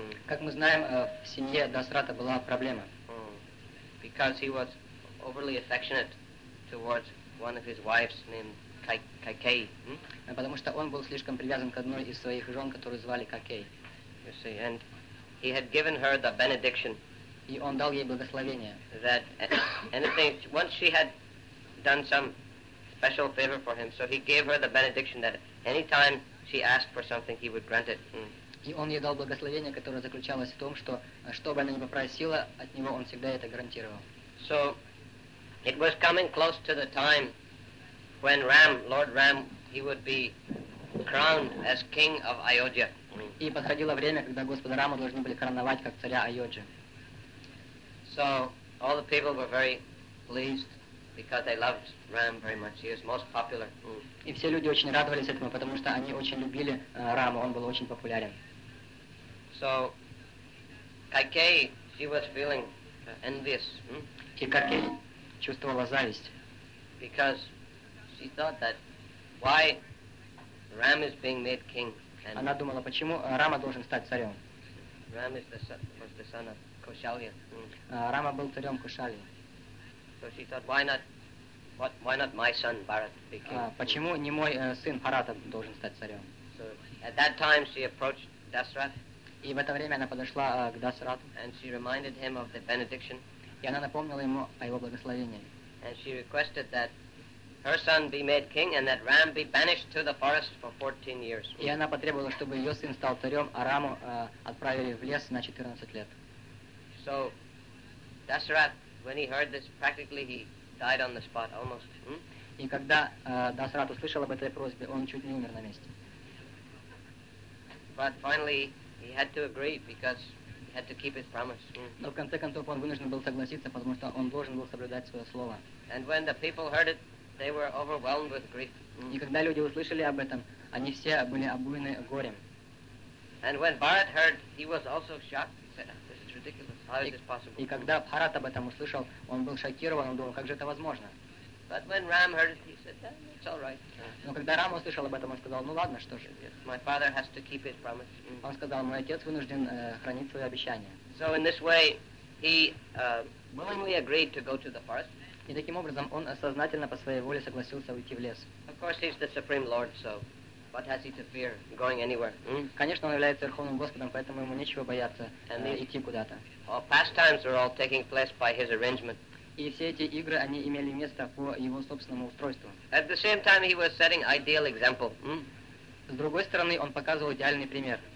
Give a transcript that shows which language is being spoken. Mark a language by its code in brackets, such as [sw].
[ru] Как мы знаем, в семье Дасарата была проблема. [en] Because he was overly affectionate towards one of his wives named Kaikeyi. [ru] Потому что он был слишком привязан к одной из своих жен, которую звали Кайкеи. [en] You see, and he had given her the benediction. [ru] И он дал ей благословение. [en] That anything once she had done some special favor for him, so he gave her the benediction that any time she asked for something, he would grant it. [ru] И он ей дал благословение, которое заключалось в том, что, что бы она ни попросила, от него он всегда это гарантировал. [en] So, It was coming close to the time when Ram, Lord Ram, he would be crowned as king of Ayodhya. [ru] И подходило время, когда господа Рама должны были короновать как царя Айоджи. [en] So all the people were very pleased because they loved Ram very much. He was most popular. [ru] И все люди очень радовались этому, потому что они очень любили Раму. Он был очень популярен. [en] So Кайкеи, she was feeling envious. [ru] И Кайкеи чувствовала зависть. [en] Because she thought that why Ram is being made king. [ru] Она думала, почему Рама должен стать царем. [en] Ram is the son of Kaushalya. [ru] Рама был царем Кушалья. [en] So she thought, why not my son Bharat be king? [ru] Почему не мой сын Бхарата должен стать царем? [en] So at that time she approached Dasrath. [ru] И в это время она подошла к Дасрату. [en] And she reminded him of the benediction. [ru] И она напомнила ему о его благословении. [en] And she requested that her son be made king and that Ram be banished to the forest for 14 years. [ru] И она потребовала, чтобы ее сын стал царем, а Раму отправили в лес на 14 лет. [en] So Dasrath, when he heard this, practically he died on the spot, almost. [ru] И когда Дасрат услышал об этой просьбе, он чуть не умер на месте. [en] But finally he had to agree because he had to keep his promise. [ru] Но в конце концов он вынужден был согласиться, потому что он должен был соблюдать свое слово. [en] And when the people heard it, they were overwhelmed with grief. [ru] И когда люди услышали об этом, они все были обуены горем. [en] And when Bharat heard, he was also shocked. He said, "This is ridiculous. How is this possible?" [ru] И когда Бхарат об этом услышал, он был шокирован. Он думал, как же это возможно? [en] But when Ram heard it, he said, "It's all right." [ru] Но когда Рама услышал об этом, он сказал: "Ну ладно, что же." [en] My father has to keep his promise. [ru] Он сказал: "Мой отец вынужден хранить свое обещание." [en] So in this way, he willingly agreed to go to the forest. [ru] И таким образом он сознательно по своей воле согласился уйти в лес. [en] Of course he's the supreme lord, so what has he to fear going anywhere? [ru] Конечно, он является верховным господом, поэтому ему нечего бояться идти куда-то. [en] All pastimes were all taking place by his arrangement. [ru] И все эти игры, они имели место по его собственному устройству. [en] At the same time he was setting ideal example. [ru] С другой стороны, он показывал идеальный пример.